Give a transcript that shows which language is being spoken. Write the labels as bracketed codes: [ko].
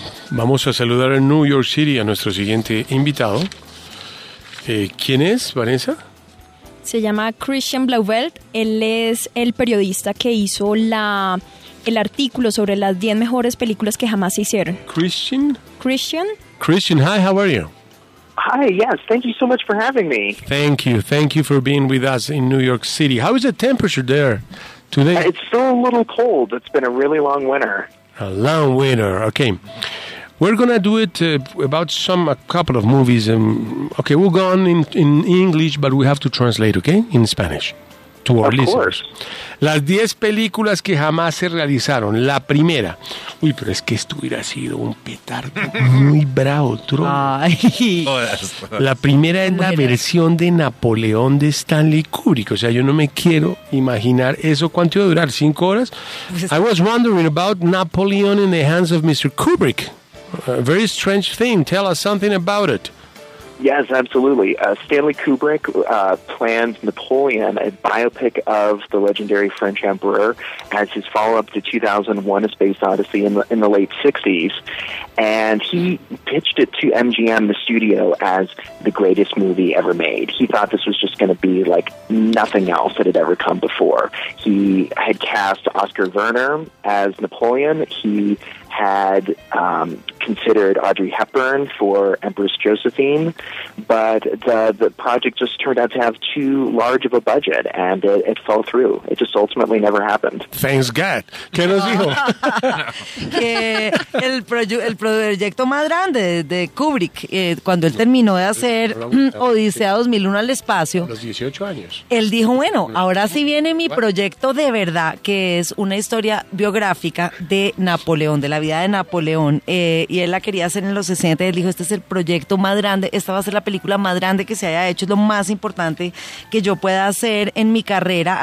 [es] Vamos a saludar en New York City a nuestro siguiente invitado. ¿Quién es, Vanessa? Se llama Christian Blauvelt. Él es el periodista que hizo el artículo sobre las 10 mejores películas que jamás se hicieron. Christian? Christian. [en] Christian, hi, how are you? Hi, yes, thank you so much for having me. Thank you for being with us in New York City. How is the temperature there today? It's still a little cold. It's been a really long winter. A long winter, okay. We're going to do it about a couple of movies. Okay, we'll go on in English, but we have to translate, okay, in Spanish to our listeners. Of course. [es] Las 10 películas que jamás se realizaron. La primera. Uy, pero es que esto hubiera sido un petardo muy bravo, Tron. Ay. La primera es la versión de Napoleón de Stanley Kubrick. O sea, yo no me quiero imaginar eso. ¿Cuánto iba a durar? ¿5 horas? [en] I was wondering about Napoleon in the hands of Mr. Kubrick. A very strange thing. Tell us something about it. Yes, absolutely. Stanley Kubrick planned Napoleon, a biopic of the legendary French emperor, as his follow-up to 2001, A Space Odyssey, in the late 60s. And he pitched it to MGM, the studio, as the greatest movie ever made. He thought this was just going to be like nothing else that had ever come before. He had cast Oscar Werner as Napoleon. He had considered Audrey Hepburn for Empress Josephine, but the project just turned out to have too large of a budget, and it fell through. It just ultimately never happened. Thanks God. [es] ¿Qué nos dijo? Que el proyecto más grande de Kubrick, cuando él terminó de hacer Odisea 2001 al espacio, los 18 años, él dijo, bueno, ahora sí viene mi proyecto de verdad, que es una historia biográfica de Napoleón, de la vida de Napoleón, y él la quería hacer en los 60, y él dijo, este es el proyecto más grande, esta va a ser la película más grande que se haya hecho, es lo más importante que yo pueda hacer en mi carrera.